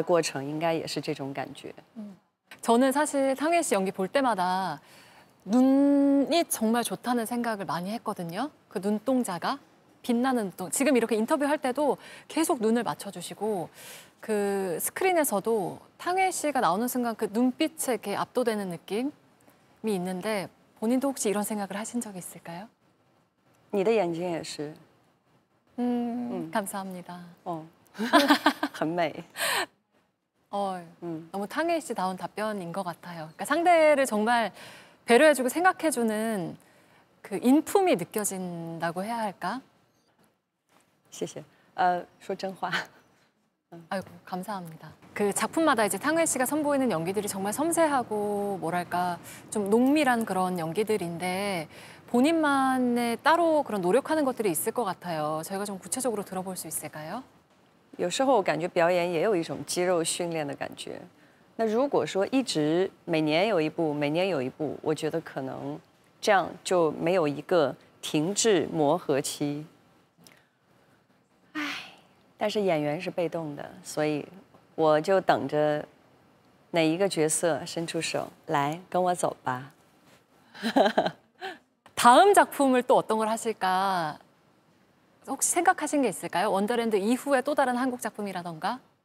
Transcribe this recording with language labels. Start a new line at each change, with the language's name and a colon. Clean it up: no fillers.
Chinese: 我记得什么戏我都能够体会到那种心情，唯独演母亲的时候，我就觉得特别力不从心。但这一次已经好了很多很多。应该说，孩子、家庭、自己的身份的改变，当然会有，都会有影响。我想我们小时候，我们的爸爸妈妈看我们从小小的长大的过程，应该也是这种感觉。嗯，
Korean: 저는 사실 상혜 씨 연기 볼 때마다. 눈이 정말 좋다는 생각을 많이 했거든요. 그 눈동자가 빛나는 눈동자. 지금 이렇게 인터뷰할 때도 계속 눈을 맞춰주시고 그 스크린에서도 탕혜 씨가 나오는 순간 그 눈빛에 이렇게 압도되는 느낌이 있는데 본인도 혹시 이런 생각을 하신 적이 있을까요?
Chinese: 你的眼睛也是.
Korean: 감사합니다.
Chinese: 很美.
Korean: 너무 탕혜 씨다운 답변인 것 같아요. 그러니까 상대를 정말 배려해주고 생각해주는 그 인품이 느껴진다고 해야 할까?
Chinese: 谢谢.说真话.
Korean: 아이고, 감사합니다. 그 작품마다 이제 탕혜 씨가 선보이는 연기들이 정말 섬세하고 뭐랄까 좀 농밀한 그런 연기들인데 본인만의 따로 그런 노력하는 것들이 있을 것 같아요. 저희가 좀 구체적으로 들어볼 수 있을까요?
Chinese: 有时候我感觉表演也有一种肌肉训练的感觉。那如果说一直每年有一部，每年有一部，我觉得可能这样就没有一个停滞磨合期。唉，但是演员是被动的，所以我就等着哪一个角色伸出手来跟我走吧。
Korean: 다음 작품을 또 어떤 걸 하실까? 혹시 생각하신 게 있을까요? 원더랜드 이후에 또 다른 한국 작품이라던가?